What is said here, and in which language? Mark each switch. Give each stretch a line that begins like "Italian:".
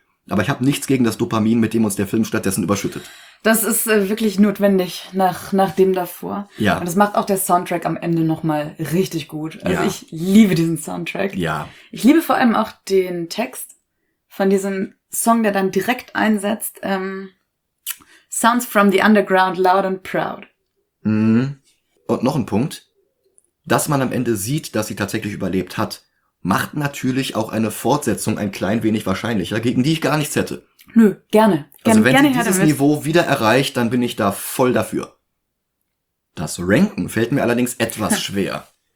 German: Aber ich habe nichts gegen das Dopamin, mit dem uns der Film stattdessen überschüttet. Das ist wirklich notwendig nach dem davor. Ja. Und das macht auch der Soundtrack am Ende nochmal richtig gut. Also ich liebe diesen Soundtrack. Ja. Ich liebe vor allem auch den Text von diesem Song, der dann direkt einsetzt.
English: Sounds from the underground, loud and proud.
German: Und noch ein Punkt. Dass man am Ende sieht, dass sie tatsächlich überlebt hat, macht natürlich auch eine Fortsetzung ein klein wenig wahrscheinlicher, gegen die ich gar nichts hätte. Nö, gerne. Also wenn gerne sie dieses Niveau wieder erreicht, dann bin ich da voll dafür. Das Ranken fällt mir allerdings etwas schwer.